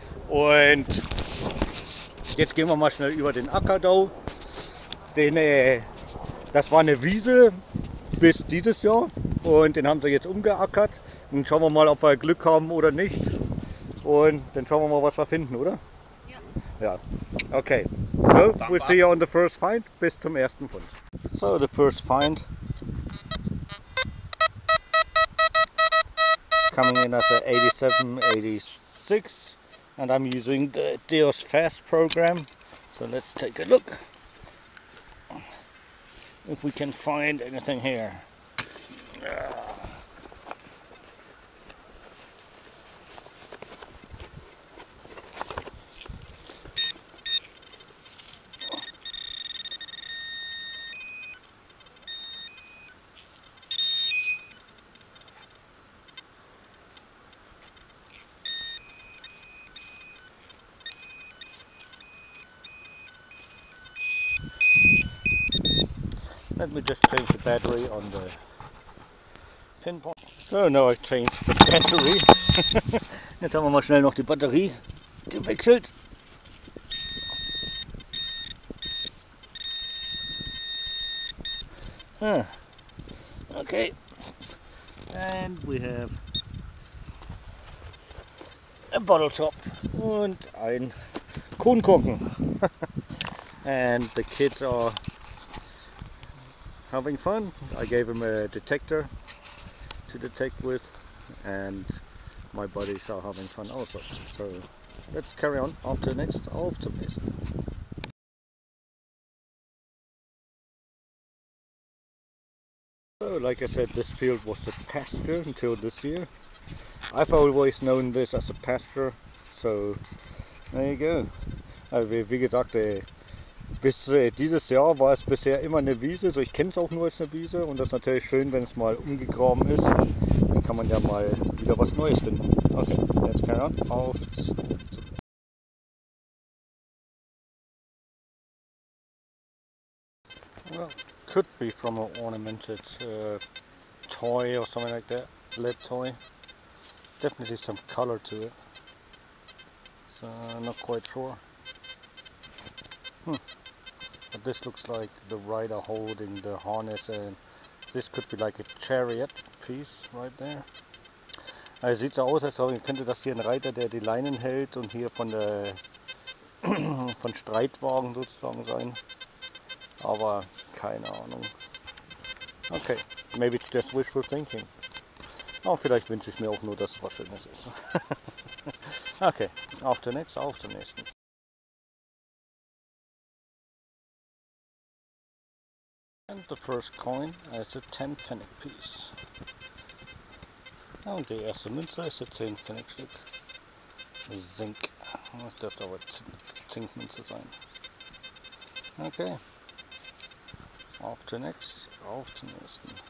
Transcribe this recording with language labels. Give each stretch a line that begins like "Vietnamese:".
German: Und jetzt gehen wir mal schnell über den Ackerdau. Das war eine Wiese bis dieses Jahr und den haben sie jetzt umgeackert. Dann schauen wir mal, ob wir Glück haben oder nicht. Und dann schauen wir mal, was wir finden, oder? Ja.
English: Okay. So, we'll see you on the first find.
German: Bis zum ersten Fund.
English: So, the first find. Coming in as a 87-86. And I'm using the Deos Fast program. So let's take a look. If we can find anything here. Let me just change the battery on the pinpoint. So, now I've changed the battery.
German: Jetzt haben wir mal schnell noch die Batterie gewechselt.
English: Okay. And we have a bottle top
German: und ein Kronkorken.
English: And the kids are having fun. I gave him a detector to detect with and my buddies are having fun also. So let's carry on after this. So like I said, this field was a pasture until this year. I've always known this as a pasture, so there you go.
German: Wie gesagt, bis dieses Jahr war es bisher immer eine Wiese, so ich kenne es auch nur als eine Wiese und das ist natürlich schön, wenn es mal umgegraben ist, dann kann man ja mal wieder was Neues finden.
English: Okay, let's carry on. Auf. Well, could be from an ornamented toy or something like that, lead toy. Definitely some color to it. So, not quite sure. But this looks like the rider holding the harness, and this could be like a chariot piece right there.
German: Also sieht so aus, als könnte das hier ein Reiter, der die Leinen hält und hier von der von Streitwagen sozusagen sein. Aber keine Ahnung.
English: Okay, maybe it's just wishful thinking.
German: Aber vielleicht wünsche ich mir auch nur, dass es was Schönes ist. Okay, auf zum nächsten.
English: And the first coin is a 10 Pfennig piece.
German: Und die erste Münze ist ein 10 Pfennig Stück. Zink. Das dürfte aber Zinkmünze sein. Okay. Auf zum nächsten.